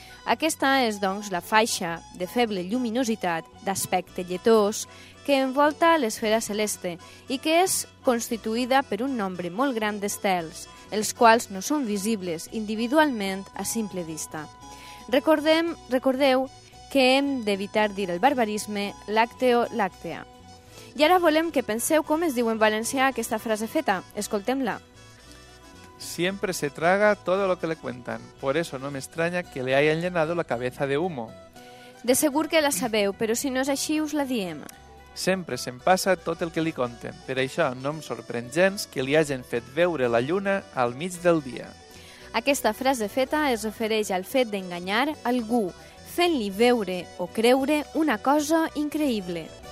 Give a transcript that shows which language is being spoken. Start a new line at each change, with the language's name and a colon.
Catalan: Aquesta és, doncs, la faixa de feble lluminositat d'aspecte lletós que envolta l'esfera celeste i que és constituïda per un nombre molt gran d'estels, els quals no són visibles individualment a simple vista. Recordeu que hem d'evitar dir el barbarisme lácteo láctea. I ara volem que penseu com es diu en valencià aquesta frase feta. Escoltem-la.
Spanish: Siempre se traga todo lo que le cuentan. Por eso no me extraña que le hayan llenado la cabeza de humo.
Catalan: De segur que la sabeu, però si no és així us la diem. Sempre se'n passa tot el que li conten. Per això no em sorprèn gens que li hagin fet veure la lluna al mig del dia. Aquesta frase feta es refereix al fet d'enganyar algú, fent-li veure o creure una cosa increïble.